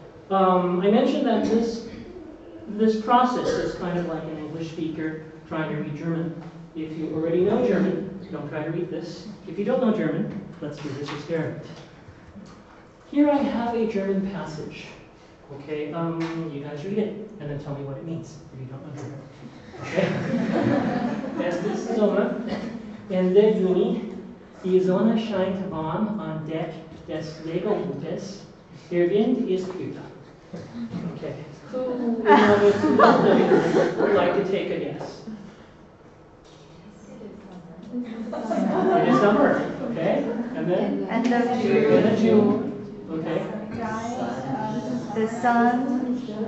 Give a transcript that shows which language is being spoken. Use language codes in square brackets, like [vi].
[en] I mentioned that this process is kind of like an English speaker trying to read German. If you already know German, don't try to read this. If you don't know German, let's do this experiment. Here I have a German passage. Okay, you guys read it, and then tell me what it means, if you don't know. Okay? [de] Es ist Sommer, Ende Juni, die Sonne scheint warm an Deck des Segelboots, der Wind ist kühler. [en] Okay, who would like to take a guess? Is it summer? Is it summer? It is summer. It is summer. Okay. Is it summer? End of June. End of June. Okay. The sun is warm.